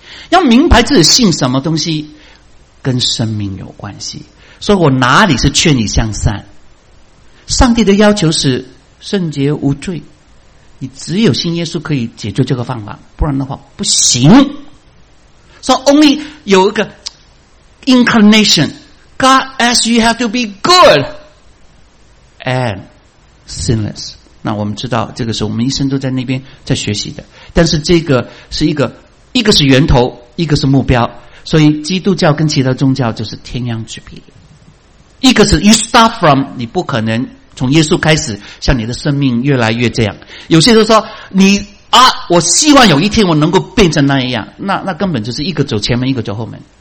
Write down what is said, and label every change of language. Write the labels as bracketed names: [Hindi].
[Chinese] 要明白自己信什么东西，跟生命有关系。所以我哪里是劝你向善？上帝的要求是圣洁无罪，你只有信耶稣可以解决这个方法，不然的话不行。 [English] So only [Chinese] 有一个 [English] inclination, God asks you have to be good and sinless. [Chinese] 那我们知道这个是我们一生都在那边在学习的，但是这个是一个是源头，一个是目标，所以基督教跟其他宗教就是天壤之别。一个是 [English] you start from, [Chinese] 你不可能从耶稣开始像你的生命越来越这样，有些人说你啊，我希望有一天我能够变成那一样，那根本就是一个走前门一个走后门。